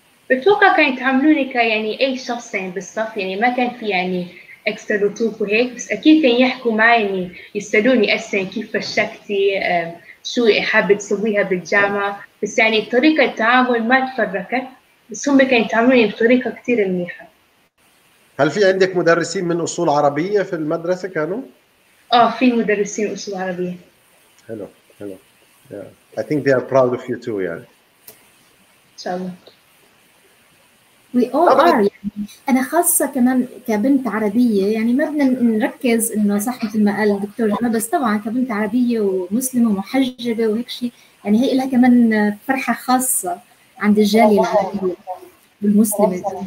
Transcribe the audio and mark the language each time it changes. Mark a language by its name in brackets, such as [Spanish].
[Arabic] بتوقع كانوا يتعاملوني كيعني اي شخصين بالصف، يعني ما كان في يعني extra لطوف وهيك، بس اكيد كانوا يحكوا معي يعني يسالوني اسئله كيف فشكتي شو حابه تسويها بالجامعه، بس يعني طريقه التعامل ما تفرقت، بس هم كانوا يتعاملوني بطريقه كثير منيحه. هل في عندك مدرسين من أصول عربية في المدرسة كانوا؟ في مدرسين أصول عربية. [English] Hello, hello. Yeah. I think they are proud of you too, [Arabic] يعني. [English] So. We all are. [Arabic] يعني أنا خاصة كمان كبنت عربية، يعني ما بدنا نركز إنه صح مثل ما قال الدكتور جمال، بس طبعاً كبنت عربية ومسلمة ومحجبة وهيك شيء، يعني هي لها كمان فرحة خاصة عند الجالية العربية والمسلمة.